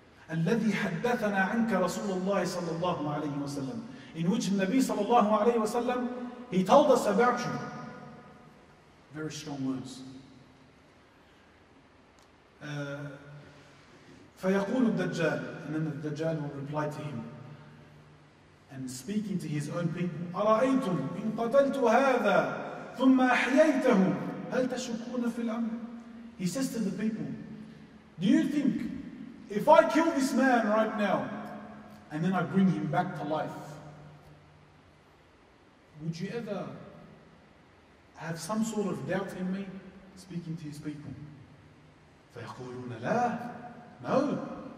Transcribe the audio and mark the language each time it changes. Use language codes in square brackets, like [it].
[ar] الَّذِي حَدَّثَنَا عَنْكَ رَسُولُ اللَّهِ صَلَّى اللَّهُ عَلَيْهِ وَسَلَّمُ. [en] In which Nabi sallallahu alayhi wa sallam, he told us about you. Very strong words. [ar] فَيَقُولُ الدَّجَّالُ. [en] And then the Dajjal will reply to him. And speaking to his own people, [ar] أَرَأَيْتُمْ إِن قَتَلْتُ هَذَا ثُمَّ أَحْيَيْتَهُمْ هَلْ تَشُكُونَ فِي الْأَمْرِ. [en] He says to the people, do you think if I kill this man right now and then I bring him back to life, would you ever have some sort of doubt in me? Speaking to his people. [ar] فَيَقُولُونَ لَا. [en] No.